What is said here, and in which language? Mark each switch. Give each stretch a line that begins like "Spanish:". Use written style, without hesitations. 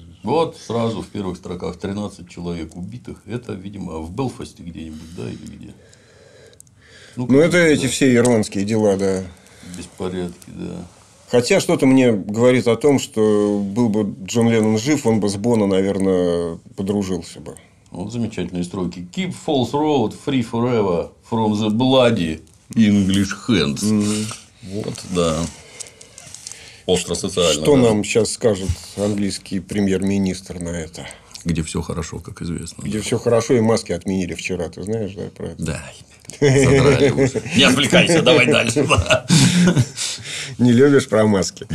Russian: Вот сразу в первых строках 13 человек убитых. Это, видимо, в Белфасте где-нибудь, да, или где? Ну это да. Эти все ирландские дела, да. Беспорядки, да. Хотя что-то мне говорит о том, что был бы Джон Леннон жив, он бы с Боно, наверное, подружился бы. Вот замечательные строки.
English: Keep Falls Road free forever from the bloody English hands.
Russian: Вот, да. Остро социально. Что нам сейчас скажет английский премьер-министр на это? Где все хорошо, как известно. Где все хорошо, и маски отменили вчера. Ты знаешь, да, про это? Да. Не отвлекайся, давай дальше. Не любишь про маски?